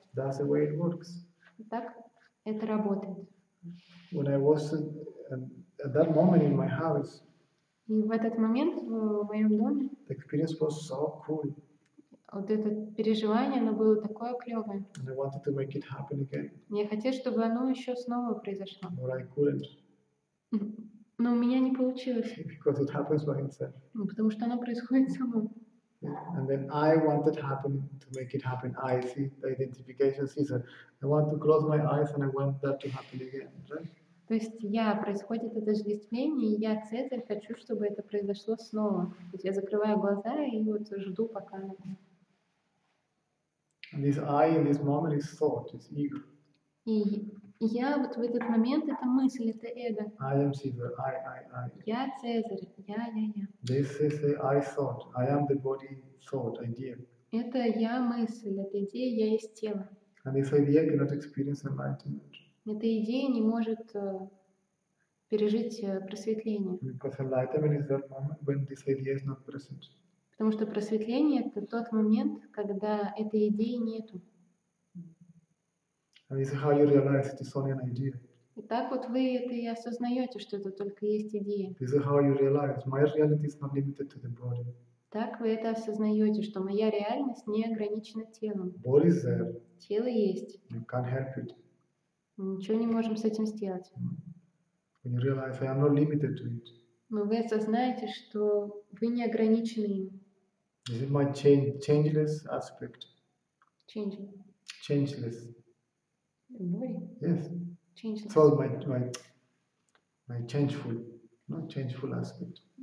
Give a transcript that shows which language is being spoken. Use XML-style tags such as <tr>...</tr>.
<en>That's the way it works.</en> <ru>Так это работает.</ru> <en>When I was at that moment in my house.</en> <ru>И в этот момент в моем доме.</ru> <en>The experience was so cool.</en> <ru>Вот это переживание, оно было такое клевое.</ru> <en>And I wanted to make it happen again.</en> <ru>Я хотел, чтобы оно еще снова произошло.</ru> <en>But I couldn't.</en> <ru>Но у меня не получилось.</ru> <en>Because it happens by itself.</en> <ru>Потому что оно происходит само.</ru> <en>Yeah. And then I wanted happen to make it happen. I see the identification season. I want to close my eyes and I want that to happen again, right?</en> <ru>То есть я происходит отождествление, и я цель хочу, чтобы это произошло снова. То есть я закрываю глаза и вот жду, пока.</ru> <en>This I in this moment is thought, is ego.</en> <ru>И я вот в этот момент это мысль, это эго.</ru> <en>I am Caesar. I.</en> <ru>Я Цезарь. Я.</ru> <en>This is the I thought. I am the body thought idea.</en> <ru>Это я мысль, это идея, я есть тело.</ru> <en>And this idea cannot experience enlightenment.</en> <ru>Эта идея не может пережить просветление.</ru> <en>Because enlightenment is that moment when this idea is not present.</en> <ru>Потому что просветление это тот момент, когда этой идеи нету.</ru> <en>And this is how you realize it is only an idea.</en> <ru>И так вот вы это и осознаете, что это только есть идея.</ru> <en>This is how you realize my reality is not limited to the body.</en> <ru>Так вы это осознаете, что моя реальность не ограничена телом.</ru> <en>Body is there.</en> <ru>Тело есть.</ru> <en>You can't help it.</en> <ru>Ничего не можем с этим сделать.</ru> <en>When you realize I am not limited to it.</en> <ru>Но вы осознаете, что вы не ограничены им.</ru> <en>This is my changeless aspect. Changing. Changeless. Body. Yes. Changeless. It's all my changeful, not changeful aspect.</en>